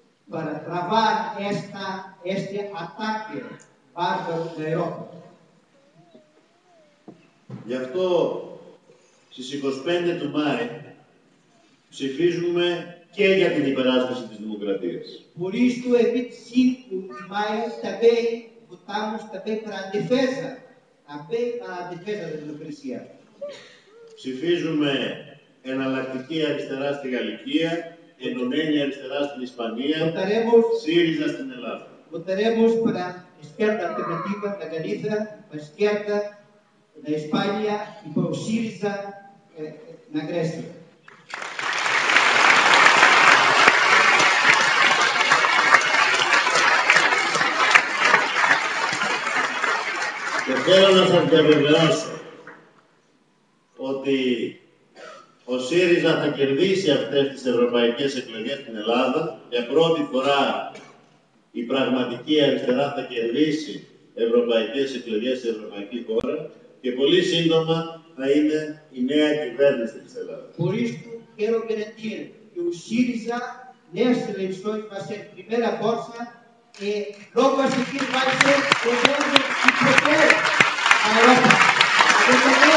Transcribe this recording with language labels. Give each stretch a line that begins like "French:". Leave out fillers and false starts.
Portuguese: Para travar este ataque bárbaro da Europa.
Greek: Γι' αυτό στις 25 του Μάη ψηφίζουμε και για την υπεράσπιση της δημοκρατίας.
Portuguese: Por isto, em 25 de maio, também votamos também para a defesa, da democracia.
Greek: Ψηφίζουμε εναλλακτική αριστερά στη Γαλλικία, ενωμένη αριστερά στην Ισπανία,
Portuguese: votaremos,
Greek: ΣΥΡΙΖΑ στην Ελλάδα.
Portuguese: Votaremos para a esquerda alternativa da Galiza, para a esquerda da Espanha e para o ΣΥΡΙΖΑ na Grécia.
Greek: Και θέλω να σας διαβεβαιώσω ότι ο ΣΥΡΙΖΑ θα κερδίσει αυτές τις ευρωπαϊκές εκλογές στην Ελλάδα για πρώτη φορά η πραγματική αριστερά θα κερδίσει ευρωπαϊκές εκλογές σε ευρωπαϊκή χώρα. Και πολύ σύντομα θα είναι η νέα κυβέρνηση της Ελλάδας.
Portuguese: Por isto quero garantir que o ΣΥΡΙΖΑ nesta eleição vai ser a primeira força e logo a seguir vai ser o governo que propõe a Europa.